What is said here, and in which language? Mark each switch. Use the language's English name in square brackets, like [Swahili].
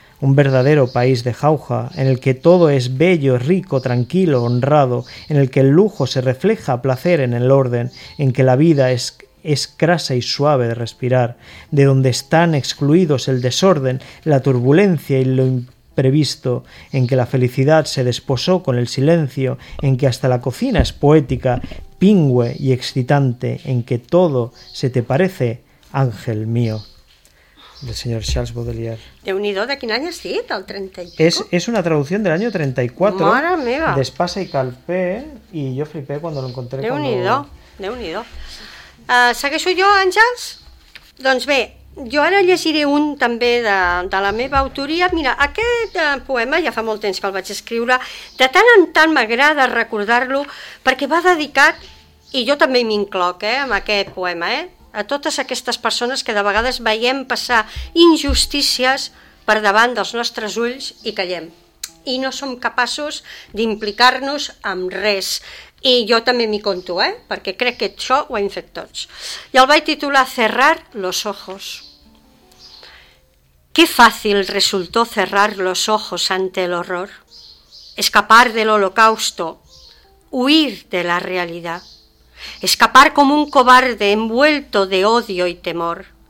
[Spanish] Un verdadero país de jauja, en el que todo es bello, rico, tranquilo, honrado, en el que el lujo se refleja a placer en el orden, en que la vida es crasa y suave de respirar, de donde están excluidos el desorden, la turbulencia y lo imprevisto, en que la felicidad se desposó con el silencio, en que hasta la cocina es poética, pingüe y excitante, en que todo se te parece, ángel mío. Del señor Charles Baudelier. [Catalan] Déu-n'hi-do, de quin any has dit? El 35? És una traducció de l'any 34. Mare meva! D'Espasa i Calpé, i jo [Spanish] flipé quan lo encontré. [Catalan] Déu-n'hi-do. Segueixo jo, Àngels? Doncs bé, jo ara llegiré un també de la meva autoria. Mira, aquest poema, ja fa molt temps que el vaig escriure, de tant en tant m'agrada recordar-lo, perquè va dedicat, i jo també m'incloc amb aquest poema, a totes aquestes persones que de vegades veiem passar injustícies per davant dels nostres ulls i callem. i no som capaços d'implicar-nos en res. I jo també m'hi conto, perquè crec que això ho hem fet tots. I el vaig titular [Spanish] Cerrar los ojos. Qué fácil resultó cerrar los ojos ante el horror, escapar del holocausto, huir de la realidad, escapar como un cobarde envuelto de odio y temor.